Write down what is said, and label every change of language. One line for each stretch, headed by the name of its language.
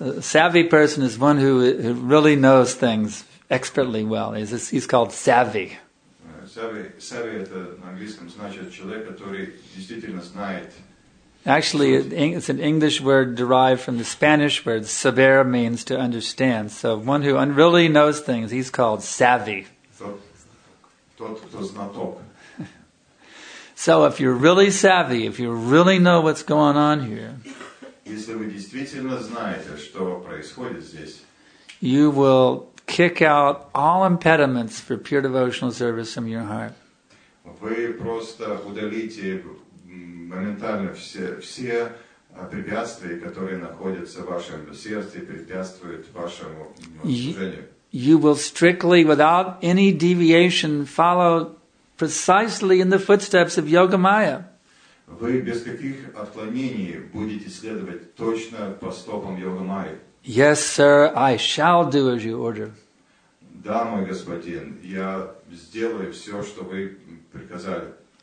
English: A savvy person is one who really knows things expertly well. He's called savvy.
Russian: Savvy это на английском значит человек, который действительно знает.
English: Actually, it's an English word derived from the Spanish word saber means to understand. So one who really knows things, he's called savvy.
Russian: Тот, кто знаток.
English: So if you're really savvy, if you really know what's going on here,
Russian: если вы действительно знаете, что происходит здесь,
English: you will kick out all impediments for pure devotional service from your heart.
Russian: Вы просто удалите моментально все препятствия, которые находятся в вашем сердце и препятствуют вашему служению.
English: You will strictly, without any deviation, follow precisely in the footsteps of Yogamaya.
Russian: Вы без каких отклонений будете следовать точно по стопам Йогамайи.
English: Yes, sir, I shall do as you order.
Russian: Да, мой господин, я сделаю все, что вы приказали.